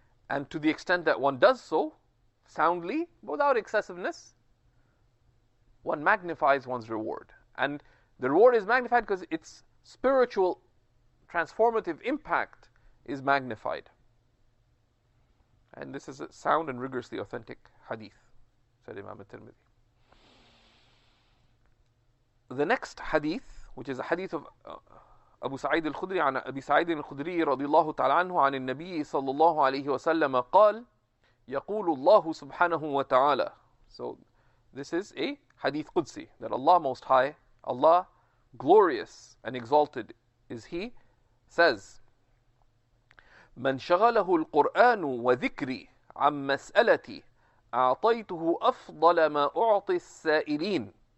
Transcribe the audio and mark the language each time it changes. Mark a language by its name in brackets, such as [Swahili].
[English] And to the extent that one does so, soundly, without excessiveness, one magnifies one's reward. And the reward is magnified because its spiritual transformative impact is magnified. And this is a sound and rigorously authentic hadith, said Imam al-Tirmidhi. The next hadith, which is a hadith of Abu Sa'id al-Khudri, [Arabic] عن أبي سعيد الخدري رضي الله تعالى عنه عن النبي صلى الله عليه وسلم قال يقول الله سبحانه وتعالى. [English] So this is a hadith Qudsi, that Allah Most High, Allah glorious and exalted is He, says [Arabic] من شغله القرآن وذكري عن مسألتي أعطيته أفضل ما أعطي السائلين.